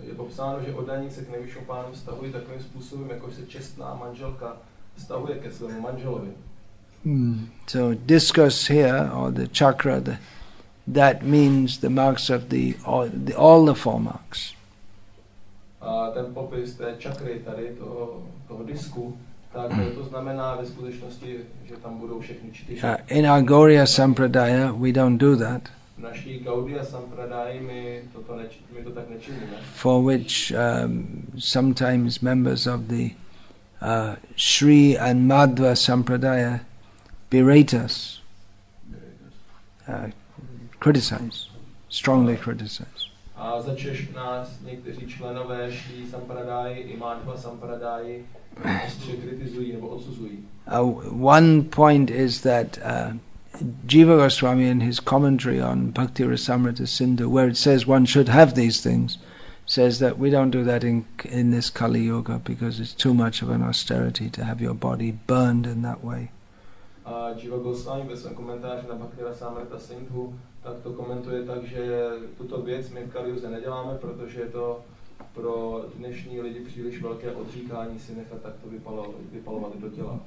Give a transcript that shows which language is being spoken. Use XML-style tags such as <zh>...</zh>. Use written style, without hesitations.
<cs>Psáno, že oddaní se k nejvyššímu pánu vztahují takovým způsobem, jako se čestná manželka vztahuje ke svému manželovi.</cs> <en>So discus here, or the chakra, that means the marks of all the four marks.</en> <cs>A ten popis té čakry tady, toho disku, tak to znamená ve skutečnosti, že tam budou všechny čtyři.</cs> <en>In our Gaudiya Sampradaya, we don't do that.</en> <cs>V naší Gaudiya Sampradaya my to tak nečiníme.</cs> <en>For which sometimes members of the Sri and Madhva Sampradaya berate us, criticize, strongly criticize.</en> <cs>A za Češ nás někteří členové Sri Sampradaya i Madhva Sampradaya ostře kritizují nebo odsuzují.</cs> <en>One point is that Jiva Goswami in his commentary on Bhakti Rasamrita Sindhu, where it says one should have these things, says that we don't do that in this Kali Yuga because it's too much of an austerity to have your body burned in that way.</en> <cs>Jiva Goswami ve svém komentáři na Bhakti Rasamrita Sindhu tak to komentuje tak, že tuto věc my v Kali Yuze neděláme, protože je to pro dnešní lidi příliš velké odříkání si nechat takto vypalovat do těla.</cs>